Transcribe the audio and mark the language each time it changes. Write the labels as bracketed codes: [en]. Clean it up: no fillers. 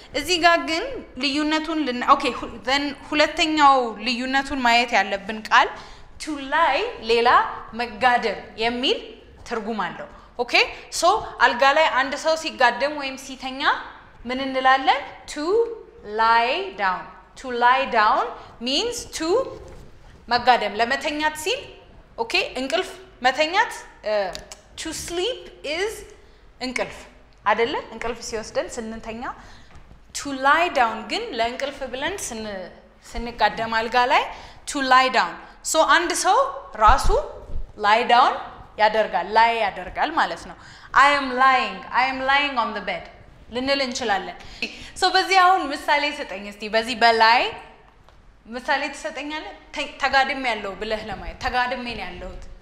[am] እዚህ ጋር ግን ልዩነቱን ኦኬ then ሁለተኛው ልዩነቱን ማየት ያለብን ቃል to lie ሌላ መጋደም የሚል ትርጉም አለው. ኦኬ? So አልጋ ላይ አንድ ሰው ሲጋደም ወይም ሲተኛ ምን እንላለን? [en] To lie down. To lie down means to [am] መጋደም ለመተኛት ሲል. ኦኬ? እንቅልፍ መተኛት to sleep is እንቅልፍ አይደለ? እንቅልፍ ሲወስደን ስንተኛ. to lie down ግን ለእንቅልፍ ብለን ስንቀደም አልጋ ላይ to lie down. so አንድ ሰው ራሱ lie down ያደርጋል lie ያደርጋል ማለት ነው. [en] I am lying on the bed [am] ልንል እንችላለን. so በዚህ አሁን ምሳሌ ሰጠኝ እስቲ በዚህ በላይ ምሳሌ ትሰጠኛለህ? ተጋድሜ ያለው ብለህ ለማየት ተጋድሜ ነው ያለሁት.